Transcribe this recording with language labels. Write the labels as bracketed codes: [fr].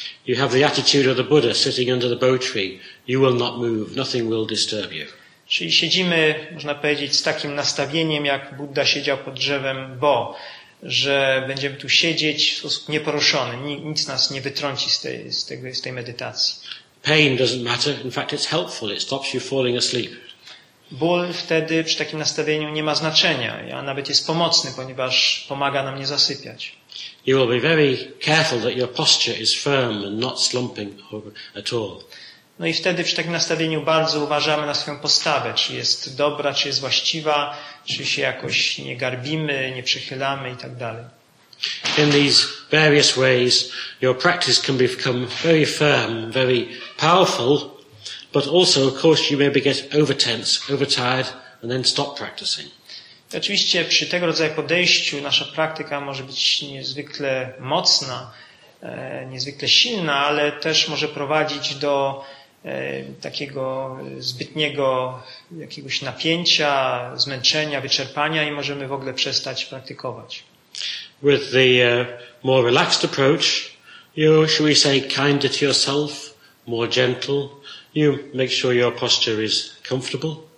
[en] You have the attitude of the Buddha sitting under the bow tree. You will not move, nothing will disturb you. [pl] Czyli siedzimy, można powiedzieć, z takim nastawieniem, jak Budda siedział pod drzewem Bo, że będziemy tu siedzieć w sposób nieporuszony. Nic nas nie wytrąci z tej medytacji. [en] Pain doesn't matter. In fact, it's helpful. It stops you falling asleep. [pl] Ból wtedy przy takim nastawieniu nie ma znaczenia, a nawet jest pomocny, ponieważ pomaga nam nie zasypiać. [en] You will be very careful that your posture is firm and not slumping at all. [pl] No i wtedy przy takim nastawieniu bardzo uważamy na swoją postawę, czy jest dobra, czy jest właściwa, czy się jakoś nie garbimy, nie przechylamy i tak dalej. [en] In these various ways your practice can become very firm, very powerful, but also of course you maybe get overtense, overtired and then stop practicing. [pl] Oczywiście przy tego rodzaju podejściu nasza praktyka może być niezwykle mocna, niezwykle silna, ale też może prowadzić do takiego zbytniego jakiegoś napięcia, zmęczenia, wyczerpania i możemy w ogóle przestać praktykować. [en] With the more relaxed approach, you, shall we say, kinder to yourself, more gentle. You make sure your posture is comfortable.